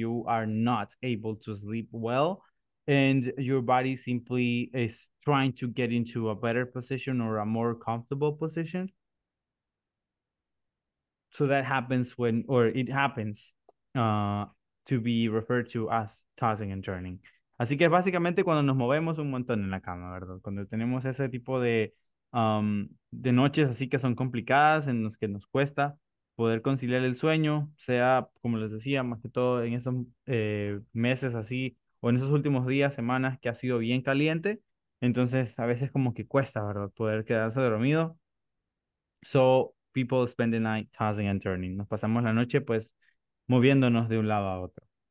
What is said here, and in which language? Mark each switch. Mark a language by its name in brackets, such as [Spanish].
[English] You are not able to sleep well. And your body simply is trying to get into a better position or a more comfortable position. So that happens when, or it happens to be referred to as tossing and turning. [Spanish] Así que básicamente cuando nos movemos un montón en la cama, ¿verdad? Cuando tenemos ese tipo de de noches así que son complicadas, en las que nos cuesta poder conciliar el sueño, sea, como les decía, más que todo en estos meses así, o en esos últimos días, semanas, que ha sido bien caliente. Entonces, a veces como que cuesta, ¿verdad? Poder quedarse dormido. [English] So, people spend the night tossing and turning. [Spanish] Nos pasamos la noche, pues, moviéndonos de un lado a otro.